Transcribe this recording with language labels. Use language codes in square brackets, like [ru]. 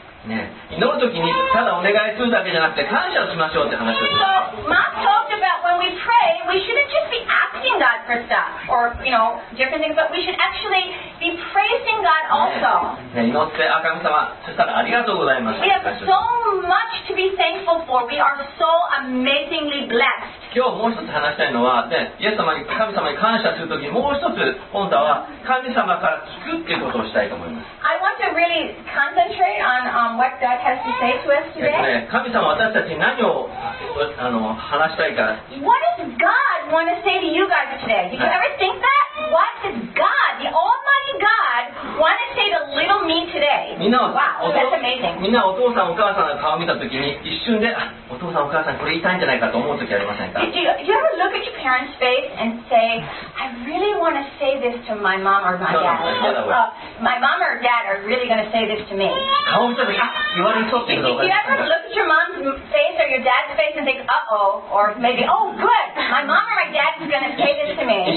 [ja] ね、祈るときにただお願いするだけじゃなくて感謝をしましょうって話をしました。 [en] Mark talked about when we pray, we shouldn't just be asking God for stuff or you know different things, but we should actually be praising God also. [ja] ね、祈って、あ、神様、そしたらありがとうございます。 [en] We have so much to be thankful for. We are so amazingly blessed. [ja] 今日もう一つ話したいのは、ね、イエス様に神様に感謝するときにもう一つ今度は神様から聞くっていうことをしたいと思います。 [en] I want to really concentrate on what God has to say to us today. [ja] 神様は私たちに何を話したいか。 [en] What does God want to say to you guys today? Did you ever think that? What does God, the Almighty God, want to say to little me today? Wow, that's amazing. [ja] みんなお父さんお母さんの顔を見たときに一瞬で、お父さんお母さんこれ言いたいんじゃないかと思うときありませんか? [en] Did you ever look at your parents' face and say, I really want to say this to my mom or my dad? My mom or dad are really going to say this to me. Did you ever look at your mom's face or your dad's face and think, uh-oh, or maybe, oh, good, my mom or my dad is going to say this to me?